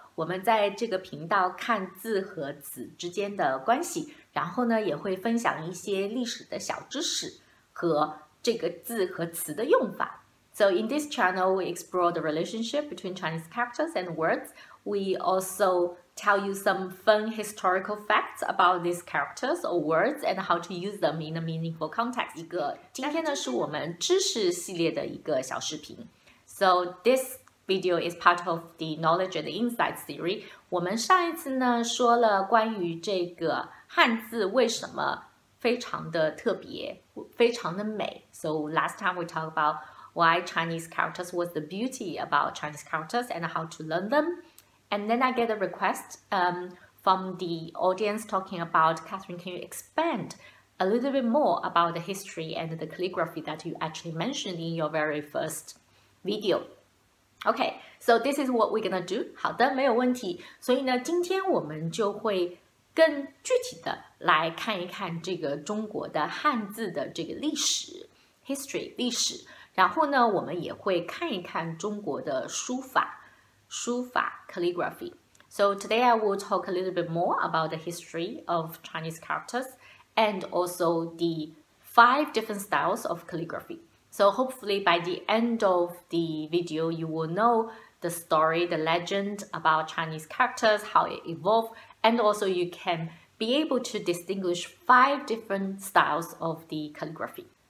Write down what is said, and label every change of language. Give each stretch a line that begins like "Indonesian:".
Chinese: 我们在这个频道看字和词之间的关系，然后呢，也会分享一些历史的小知识和这个字和词的用法。
English: So in this channel, we explore the relationship between Chinese characters and words. We also tell you some fun historical facts about these characters or words and how to use them in a meaningful context.
Chinese: 一个今天呢是我们知识系列的一个小视频。
English: So this video is part of the Knowledge and Insight series.
Chinese: 我们上一次呢说了关于这个汉字为什么非常的特别，非常的美。
English: So last time we talked about why Chinese characters, what's the beauty about Chinese characters and how to learn them. And then I get a request from the audience talking about, Catherine, can you expand a little bit more about the history and the calligraphy that you actually mentioned in your very first video? Okay, so this is what we're gonna do.
Chinese: 好的，没有问题。所以呢，今天我们就会更具体的来看一看这个中国的汉字的这个历史 history 历史。然后呢，我们也会看一看中国的书法。书法 calligraphy.
English: So today I will talk a little bit more about the history of Chinese characters and also the five different styles of calligraphy. So hopefully by the end of the video, you will know the story, the legend about Chinese characters, how it evolved, and also you can be able to distinguish five different styles of the calligraphy.